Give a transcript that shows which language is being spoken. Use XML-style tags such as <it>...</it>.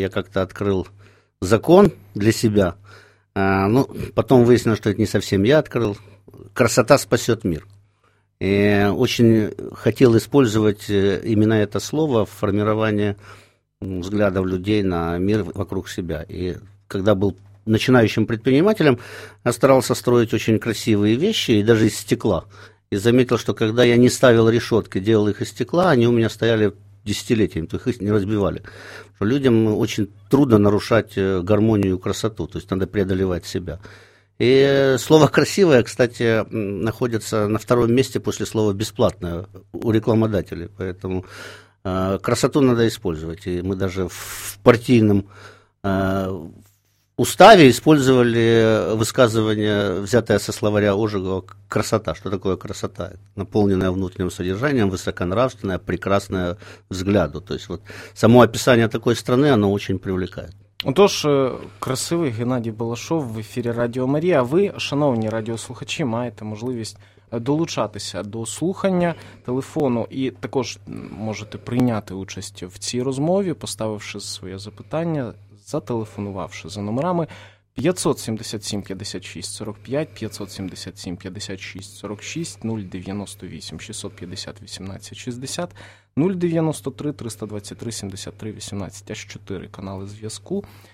<uk>Я як-то відкрив закон для себе, ну, потім вияснилося, що це не зовсім я відкрив. Красота спасе світ. Дуже хотів використовувати саме це слово в формуванні взглядів людей на світ вокруг себе.</uk> <ru>І когда был начинающим предпринимателем, я старался строить очень красивые вещи, и даже из стекла. И заметил, что когда я не ставил решетки, делал их из стекла, они у меня стояли десятилетиями, то есть их не разбивали. Что людям очень трудно нарушать гармонию и красоту, то есть надо преодолевать себя. И слово «красивое», кстати, находится на втором месте после слова «бесплатное» у рекламодателей. Поэтому красоту надо использовать. И мы даже в партийном уставе использовали высказывание, взятое со словаря Ожегова, «красота». Что такое красота? Наполненная внутренним содержанием, высоконравственная, прекрасная взгляду. То есть вот само описание такой страны, оно очень привлекает.</ru> <uk>Отож, красивий Геннадій Балашов в ефірі Радіо Марія. Ви, шановні радіослухачі, маєте можливість долучатися до слухання телефону і також можете прийняти участь в цій розмові, поставивши своє запитання, зателефонувавши за номерами 577-56-45, 577-56-46, 098-650-18-60, 093-323-73-18-4, канали зв'язку.</uk>